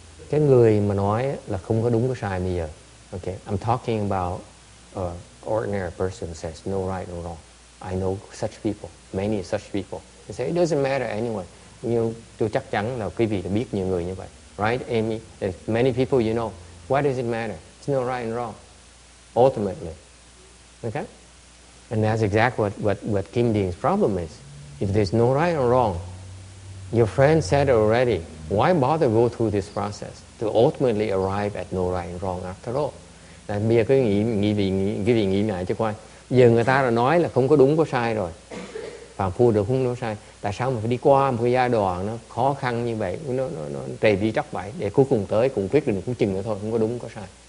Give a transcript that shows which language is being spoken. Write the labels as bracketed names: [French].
[Vietnamese] Cái người mà nói là không có đúng có sai bây giờ. [English] Okay. I'm talking about ordinary person says no right or wrong. I know such people, many such people. They say it doesn't matter anyway. [Vietnamese] Nhưng tôi chắc chắn là quý vị đã biết nhiều người như vậy. [English] Right, Amy? There's many people you know. Why does it matter? It's no right and wrong. Ultimately. Okay? And that's exactly what Kim Ding's problem is. If there's no right or wrong, your friend said already, why bother go through this process to ultimately arrive at no right and wrong after all? [Vietnamese] Bây giờ cứ nghĩ lại cho coi. Giờ người ta đã nói là không có đúng có sai rồi. Phạm phu được không đúng sai. Tại sao mình phải đi qua một cái giai đoạn nó khó khăn như vậy, nó trầy đi chắc vậy, để cuối cùng tới cũng quyết định cũng chừng nữa thôi, không có đúng có sai.